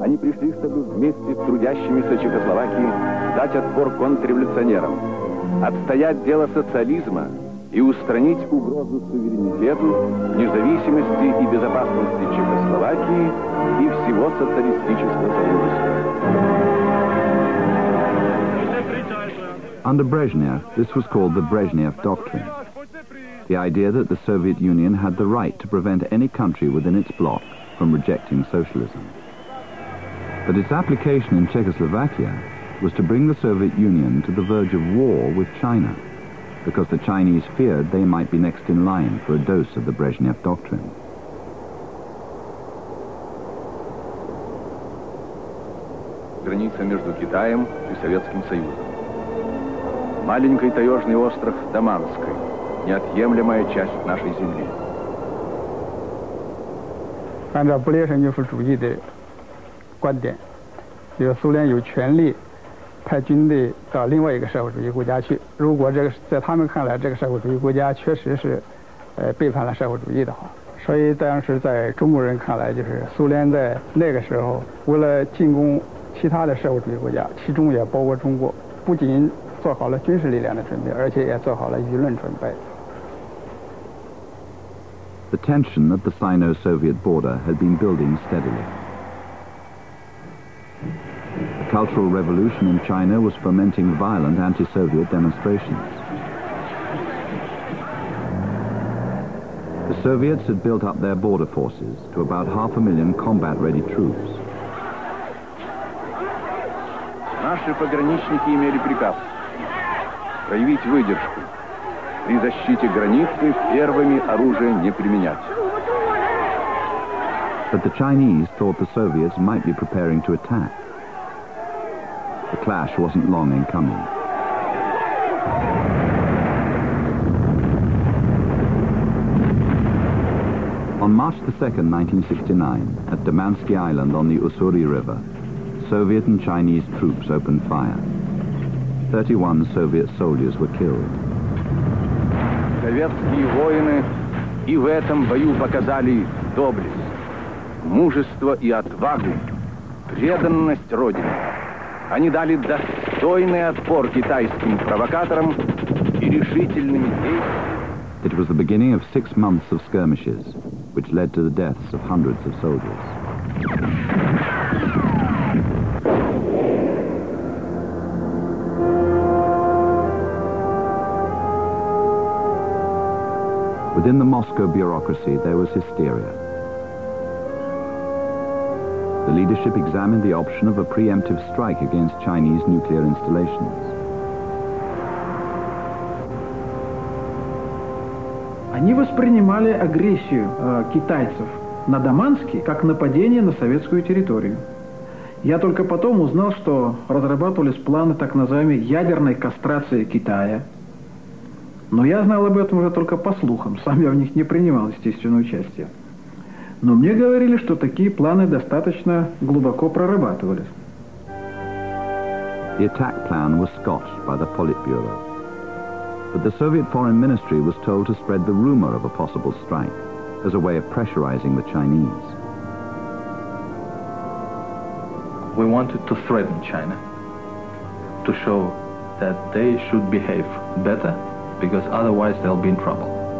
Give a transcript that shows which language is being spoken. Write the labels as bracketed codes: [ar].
[ru] Они пришли, чтобы вместе с трудящимися Чехословакии дать отпор контрреволюционерам, отстоять дело социализма и устранить угрозу суверенитету, независимости и безопасности Чехословакии и всего социалистического союза. [en] Under Brezhnev, this was called the Brezhnev Doctrine. The idea that the Soviet Union had the right to prevent any country within its bloc from rejecting socialism. But its application in Czechoslovakia was to bring the Soviet Union to the verge of war with China, because the Chinese feared they might be next in line for a dose of the Brezhnev Doctrine. [ru] Граница между Китаем и Советским Союзом. Маленький таежный остров Даманский. Неотъемлемая часть нашей земли. Он за Брежневскую [zh] 观点, 就是苏联有权利 派军队到另外一个社会主义国家去, 如果这个在他们看来这个社会主义国家确实是 背叛了社会主义的话, 所以当时在中国人看来, 就是苏联在那个时候 为了进攻其他的社会主义国家, 其中也包括中国, 不仅做好了军事力量的准备, 而且也做好了舆论准备。 [en] The tension at the Sino-Soviet border had been building steadily. The Cultural Revolution in China was fomenting violent anti-Soviet demonstrations. The Soviets had built up their border forces to about 500,000 combat-ready troops. [ru] Наши пограничники имели приказ проявить выдержку. При защите границы первыми оружие не применять. [en] But the Chinese thought the Soviets might be preparing to attack. The clash wasn't long in coming. On March 2, 1969, at Damansky Island on the Ussuri River, Soviet and Chinese troops opened fire. 31 Soviet soldiers were killed. [ru] Советские воины и в этом бою показали доблесть, мужество и отвагу, преданность Родине. Они дали достойный отпор китайским провокаторам и решительными действиями. [en] It was the beginning of 6 months of skirmishes, which led to the deaths of hundreds of soldiers. Within the Moscow bureaucracy, there was hysteria. The leadership examined the option of a preemptive strike against Chinese nuclear installations. [ru] Они воспринимали агрессию китайцев на Даманске как нападение на советскую территорию. Я только потом узнал, что разрабатывались планы так называемой ядерной кастрации Китая. Но я знал об этом уже только по слухам, сам я в них не принимал естественное участие. Но мне говорили, что такие планы достаточно глубоко прорабатывались. [en] The attack plan was scotched by the Politburo. But the Soviet Foreign Ministry was told to spread the rumor of a possible strike as a way of pressurizing the Chinese. We wanted to threaten China to show that they should behave better because otherwise they'll be in trouble.